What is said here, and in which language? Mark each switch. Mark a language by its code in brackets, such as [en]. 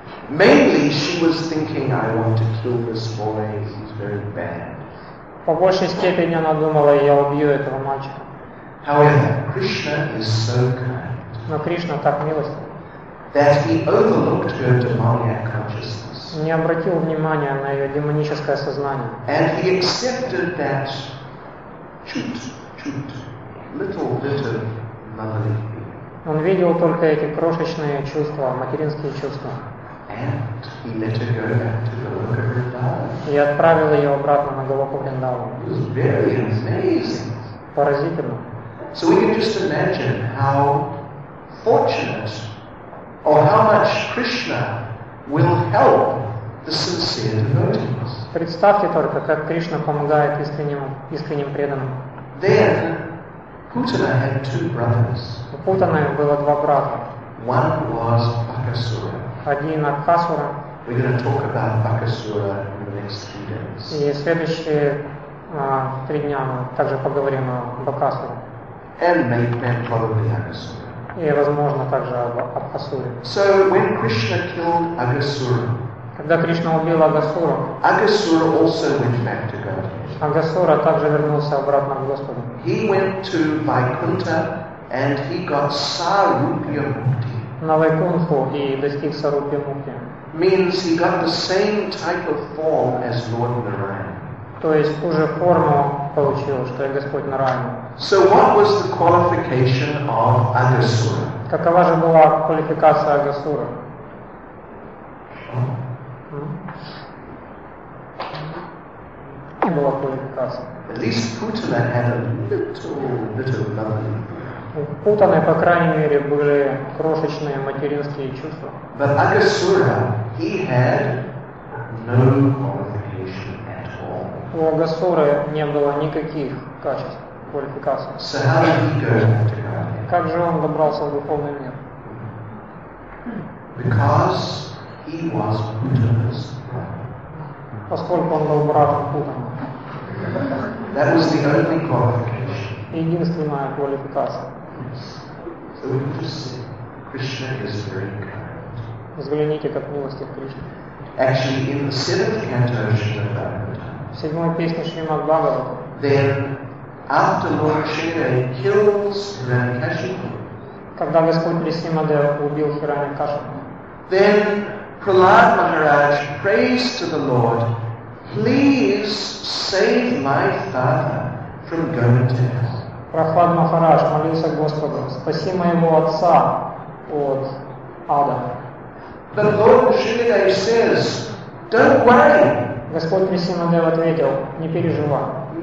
[en] Mainly she was thinking, I want to kill this boy, he's very bad. [ru] По большей степени она думала, я убью этого мальчика. [en] However, Krishna is so kind. [ru] Но Кришна так милостив. [en] That he overlooked her demoniac consciousness. [ru] Не обратил внимания на ее демоническое сознание. [en] And he accepted that [ru] чуть-чуть, [en] little bit of motherly feeling. [ru] Он видел только эти крошечные чувства, материнские чувства. [en] And he let her go back to Goloka Vrindavan. [ru] И отправил ее обратно на Голоку Вриндаву. [en] It was very amazing. [ru] Поразительно. [en] So we can just imagine how fortunate or how much Krishna will help the sincere devotees. [ru] Представьте только, как Кришна помогает искренним преданным. [en] Then Putana had two brothers. [ru] У Путаны было два брата. [en] One was Bakasura. [ru] Один Акасура. [en] We're going to talk about Bakasura in the next few days. [ru] И следующие три дня мы также поговорим о Бакасуре. [en] And maybe probably Акасура. [ru] И, возможно, также об Абхасуре. [en] So when Krishna killed Агасуру, [ru] когда Кришна убил Агасуру, [en] Агасура also went back to God. [ru] Агасура также вернулся обратно к Господу. [en] He went to Vaikuntha and he got Sarupya Mukti. [ru] На Вайкунху и достиг Сарупья Мукти. [en] Means he got the same type of form as Lord Narayana. [ru] То есть ту же форму получил, что и Господь Нараяна. [en] So what was the qualification of Agasura? [ru] Какова же была квалификация Агасура? Какая была квалификация? [en] At least Putana had a little bit of love. [ru] У Путаны, по крайней мере, были крошечные материнские чувства. [en] But Agasura, he had no qualification at all. [ru] У Агасуры не было никаких качеств. Квалификация. [en] So how did he go back to God? [ru] Как же он добрался в духовный мир? [en] Because he was Putana's brother. [ru] Поскольку он был братом Путана. [en] That was the only qualification. [ru] Единственная квалификация. [en] So we can just say, Krishna is very kind. [ru] Взгляните, как милостив Кришна. [en] Actually, in the seventh canto of Shrimad Bhagavatam. [ru] В седьмой песне Шримад Бхагаватам. [en] Then after Lord Shiva kills Hiranyakashipu, [ru] когда Господь Брисимадева убил Хираньякашипу, [en] then Prahlad Maharaj prays to the Lord, please save my father from going to hell. [ru] Прахлад Махарадж молился Господу, спаси моего отца от ада. [en] The Lord Shivadev says, don't worry. [ru] Господь Брисимадева ответил, не переживай.